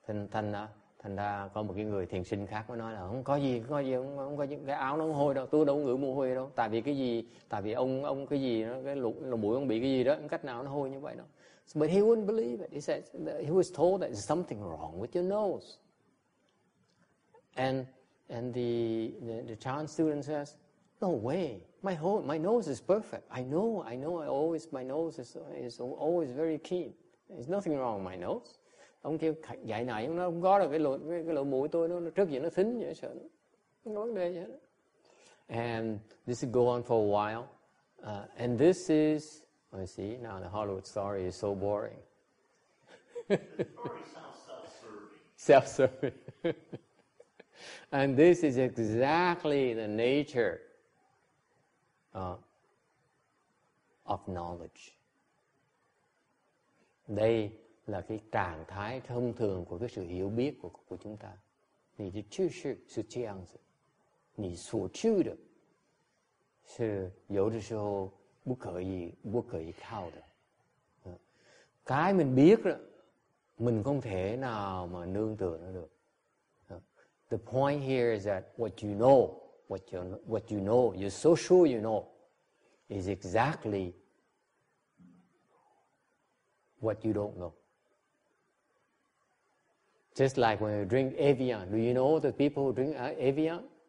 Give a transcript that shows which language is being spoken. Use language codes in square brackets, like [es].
[vi] Thành ra có một cái người thiền sinh khác mới nói là không có gì, cái áo nó hôi đâu, tôi đâu ngửi mùi hôi đâu. Tại vì ông bị cái gì đó, cách nào nó hôi như vậy đâu. [en] So, but he wouldn't believe it. He said that he was told that there's something wrong with your nose. And the chan student says, No way. My nose is perfect. I know. My nose is always very keen. There's nothing wrong with my nose. [vi] Ông kêu dạy nãy nó không có được cái lỗ mũi tôi nó trước giờ nó thính vậy sợ nó không có vấn đề vậy. [en] And this will go on for a while. And this is, let's see, now the Hollywood story is so boring. Self-serving. And this is exactly the nature of knowledge. [vi] Đây là cái trạng thái thông thường của cái sự hiểu biết của chúng ta. [zh] 你的知识是这样子, 你所知的, 是有的时候不可以靠的。 [vi] Cái mình biết đó, mình không thể nào mà nương tựa nó được. [en] The point here is that what you know, you're so sure you know, is exactly what you don't know. Just like when you drink Evian, do you know the people who drink Evian?